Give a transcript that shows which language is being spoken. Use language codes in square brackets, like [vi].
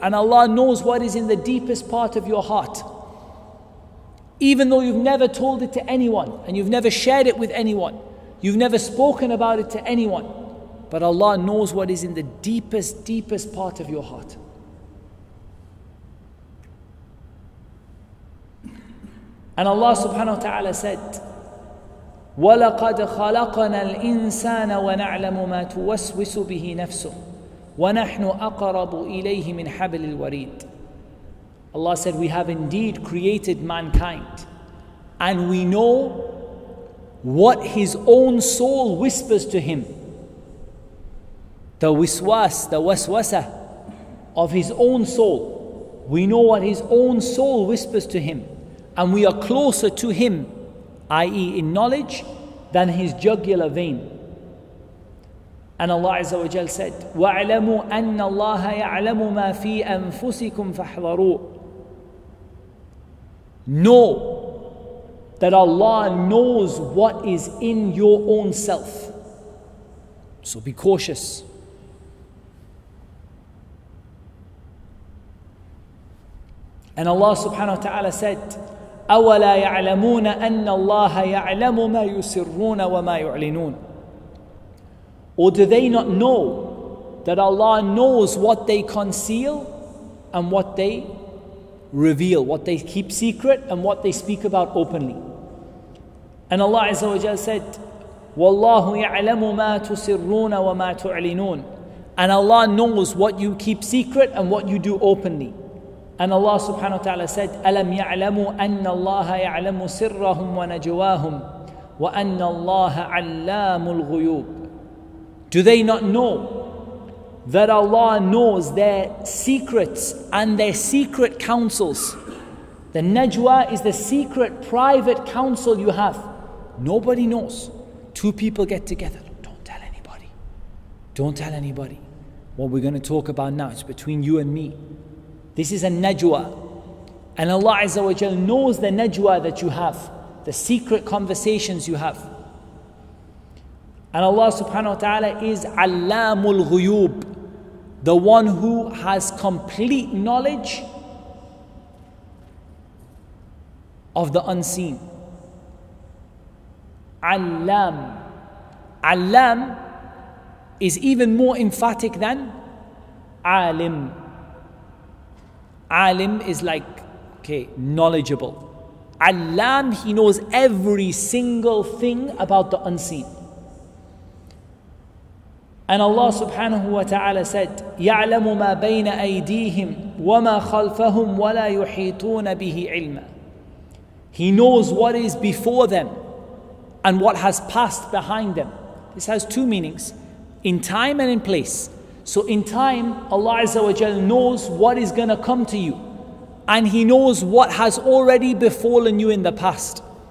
[en] And Allah knows what is in the deepest part of your heart. Even though you've never told it to anyone, and you've never shared it with anyone, you've never spoken about it to anyone, but Allah knows what is in the deepest, deepest part of your heart. [ar] And Allah subhanahu wa ta'ala said, وَلَقَدْ خَلَقَنَا الْإِنسَانَ وَنَعْلَمُ مَا تُوَسْوِسُ بِهِ نَفْسُهُ وَنَحْنُ أَقْرَبُ إِلَيْهِ مِنْ حَبْلِ الْوَرِيدِ. [en] Allah said, we have indeed created mankind, and we know what his own soul whispers to him. The waswas, the waswasa of his own soul. We know what his own soul whispers to him, and we are closer to him, i.e. in knowledge, than his jugular vein. [ar] And Allah Azza wa Jal said, وَعْلَمُوا أَنَّ اللَّهَ يَعْلَمُ مَا فِي أَنفُسِكُمْ فَحْضَرُوا. [en] Know that Allah knows what is in your own self. So be cautious. [ar] And Allah subhanahu wa ta'ala said, أَوَلَا يَعْلَمُونَ أَنَّ اللَّهَ يَعْلَمُ مَا يُسِرُّونَ وَمَا يُعْلِنُونَ. [en] Or do they not know that Allah knows what they conceal and what they reveal, what they keep secret and what they speak about openly? [ar] And Allah Azza wa Jalla said, وَاللَّهُ يَعْلَمُ مَا تُسِرُّونَ وَمَا تُعْلِنُونَ. [en] And Allah knows what you keep secret and what you do openly. [ar] And Allah subhanahu wa ta'ala said, أَلَمْ يَعْلَمُوا أَنَّ اللَّهَ يَعْلَمُ سِرَّهُمْ وَنَجْوَاهُمْ وَأَنَّ اللَّهَ عَلَّامُ الْغُيُوبِ. [en] Do they not know that Allah knows their secrets and their secret counsels? The najwa is the secret private counsel you have. Nobody knows. Two people get together. Don't tell anybody. Don't tell anybody. What we're going to talk about now is between you and me. This is a najwa. And Allah Azza wa Jal knows the najwa that you have, the secret conversations you have. And Allah subhanahu wa ta'ala is Allamul Ghuyub, the one who has complete knowledge of the unseen. Allam. Allam is even more emphatic than Alim. Alim is like, okay, knowledgeable. Allam, he knows every single thing about the unseen. [ar] And Allah subhanahu wa ta'ala said, يَعْلَمُ مَا بَيْنَ أَيْدِيهِمْ وَمَا خَلْفَهُمْ وَلَا يُحِيطُونَ بِهِ عِلْمًا. [en] He knows what is before them and what has passed behind them. This has two meanings, in time and in place. So in time, Allah Azza wa Jal knows what is going to come to you, and he knows what has already befallen you in the past.